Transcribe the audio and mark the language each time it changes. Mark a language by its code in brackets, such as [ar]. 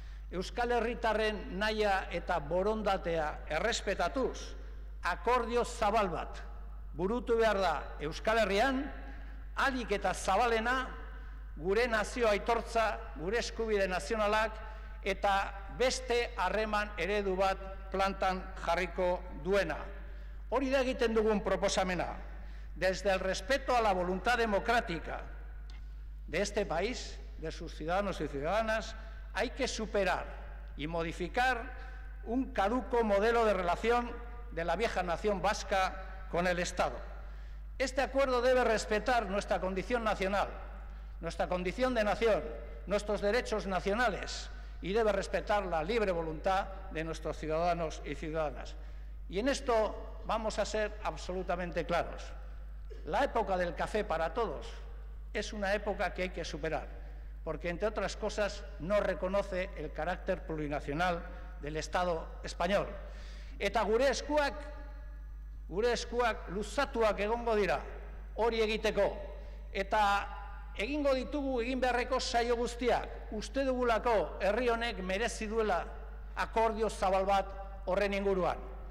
[eu] Euskal Herritarren nahia eta borondatea errespetatuz, akordio zabal bat burutu behar da Euskal Herrian, alik eta zabalena, gure nazio aitortza, gure eskubide nazionalak eta beste harreman eredu bat plantan jarriko duena. Hori da egiten dugun proposamena. [es] Desde el respeto a la voluntad democrática de este país, de sus ciudadanos y ciudadanas, hay que superar y modificar un caduco modelo de relación de la vieja nación vasca con el Estado. Este acuerdo debe respetar nuestra condición nacional, nuestra condición de nación, nuestros derechos nacionales y debe respetar la libre voluntad de nuestros ciudadanos y ciudadanas. Y en esto vamos a ser absolutamente claros. La época del café para todos es una época que hay que superar, porque, entre otras cosas, no reconoce el carácter plurinacional del Estado español. [eu] Eta gure eskuak luzatuak egongo dira, hori egiteko. Eta egingo ditugu egin beharreko saio guztiak, uste dugulako herri honek merezi duela akordio zabal bat horren inguruan.